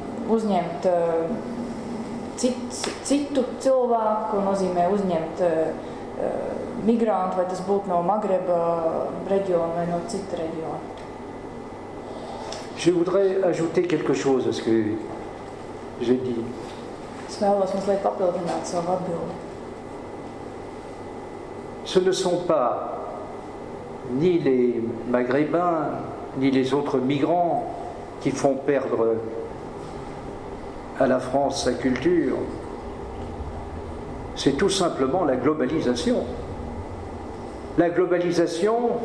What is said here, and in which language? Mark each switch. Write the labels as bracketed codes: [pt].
[lv] uzņemt citu cilvēku, ko nozīmē uzņemt migrantu, vai tas būtu no Magreba reģiona vai no cita reģiona. [fr] Je voudrais ajouter quelque chose à ce que j'ai dit. [lv] Es vēlos mazliet papildināt savu atbildi. [fr] Ce ne sont pas ni les Maghrébins ni les autres migrants qui font perdre à la France sa culture, c'est tout simplement la globalisation. La globalisation